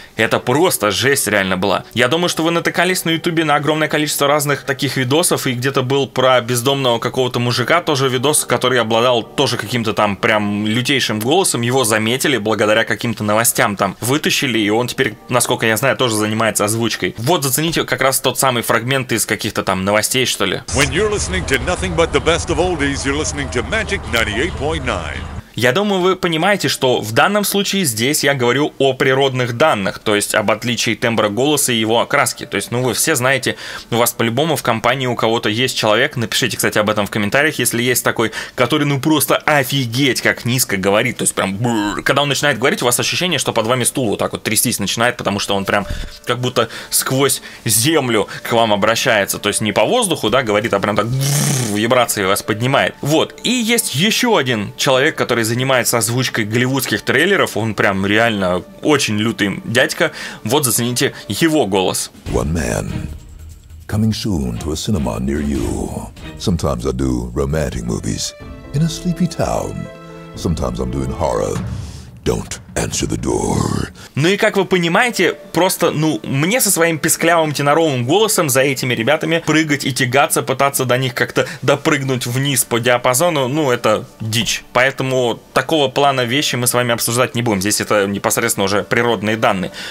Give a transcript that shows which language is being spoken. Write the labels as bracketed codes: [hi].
[ru] Это просто жесть реально была. Я думаю, что вы натыкались на ютубе на огромное количество разных таких видосов, и где-то был про бездомного какого-то мужика тоже видос, который обладал тоже каким-то там прям лютейшим голосом. Его заметили благодаря каким-то новостям там. Вытащили, и он теперь, насколько я знаю, тоже занимается озвучкой. Вот зацените как раз тот самый фрагмент из каких-то там новостей, что ли. [en] When you're listening to nothing but the best of oldies, you're listening to magic 98.9. [ru] Я думаю, вы понимаете, что в данном случае здесь я говорю о природных данных, то есть об отличии тембра голоса и его окраски. То есть, ну, вы все знаете, у вас по-любому в компании у кого-то есть человек, напишите, кстати, об этом в комментариях, если есть такой, который, ну, просто офигеть, как низко говорит, то есть прям бррр. Когда он начинает говорить, у вас ощущение, что под вами стул вот так вот трястись начинает, потому что он прям как будто сквозь землю к вам обращается, то есть не по воздуху, да, говорит, а прям так вибрации вас поднимает. Вот. И есть еще один человек, который занимается озвучкой голливудских трейлеров. Он прям реально очень лютый дядька. Вот зацените его голос. [en] One man coming soon to a cinema near you. Sometimes I do romantic movies in a sleepy town. Sometimes I'm doing horror. Don't Answer the door. [ru] Ну и как вы понимаете, просто, ну, мне со своим писклявым теноровым голосом за этими ребятами прыгать и тягаться, пытаться до них как-то допрыгнуть вниз по диапазону, ну, это дичь. Поэтому такого плана вещи мы с вами обсуждать не будем. Здесь это непосредственно уже природные данные.